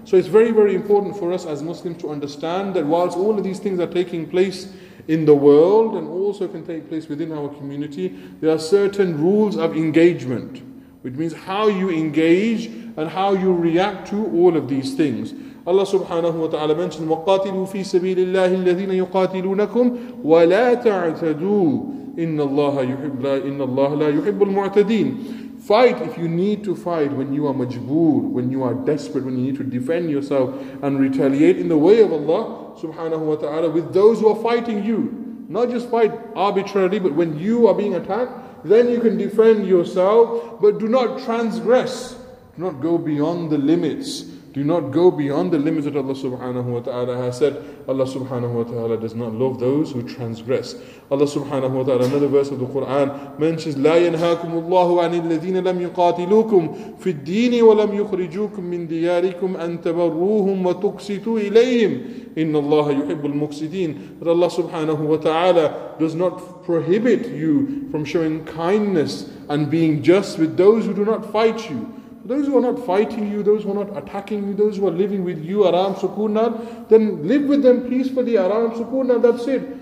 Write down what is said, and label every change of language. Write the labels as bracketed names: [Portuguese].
[English] So it's very, very important for us as Muslims to understand that whilst all of these things are taking place in the world and also can take place within our community, there are certain rules of engagement, which means how you engage and how you react to all of these things. [Arabic] Allah subhanahu wa ta'ala mentioned, وَقَاتِلُوا فِي سَبِيلِ اللَّهِ الَّذِينَ يُقَاتِلُونَكُمْ وَلَا تَعْتَدُوا إِنَّ اللَّهَ لَا يُحِبُّ الْمُعْتَدِينَ. [English] Fight if you need to fight, when you are majboor, when you are desperate, when you need to defend yourself and retaliate in the way of Allah subhanahu wa ta'ala with those who are fighting you. Not just fight arbitrarily, but when you are being attacked, then you can defend yourself. But do not transgress. Do not go beyond the limits. Do not go beyond the limits that Allah subhanahu wa ta'ala has said. Allah subhanahu wa ta'ala does not love those who transgress. [Arabic] Allah subhanahu wa ta'ala, [English] another verse of the Quran, mentions, [Arabic] لَا يَنْهَاكُمُ اللَّهُ عَنِ الَّذِينَ لَمْ يُقَاتِلُوكُمْ فِي الدِّينِ وَلَمْ يُخْرِجُوكُمْ مِنْ دِيَارِكُمْ أَنْ تَبَرُّوهُمْ وَتُقْسِتُوا إِلَيْهِمْ إِنَّ اللَّهَ يُحِبُّ الْمُقْسِدِينَ. [English] But Allah subhanahu wa ta'ala does not prohibit you from showing kindness and being just with those who do not fight you. Those who are not fighting you, those who are not attacking you, those who are living with you, [Urdu] aram sukunat, [English] then live with them peacefully, aram sukunat, that's it.